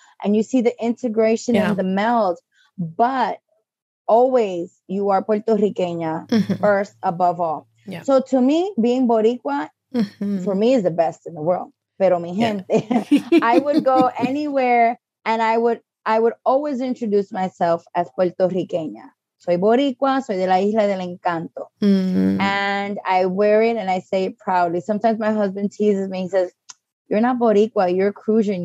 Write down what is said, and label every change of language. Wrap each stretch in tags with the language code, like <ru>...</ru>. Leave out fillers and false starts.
<en>And you see the integration yeah. and the meld. But always you are Puerto Ricana mm-hmm. first above all. Yeah. So to me, being boricua, mm-hmm. for me, is the best in the world.</en> <es>Pero mi gente,</es> <en>yeah. I would go anywhere. And I would always introduce myself as Puerto Riqueña.</en> <es>Soy boricua, soy de la Isla del Encanto. Mm-hmm.</es> <en>And I wear it and I say it proudly. Sometimes my husband teases me. He says, you're not boricua, you're a Cruzan.</en>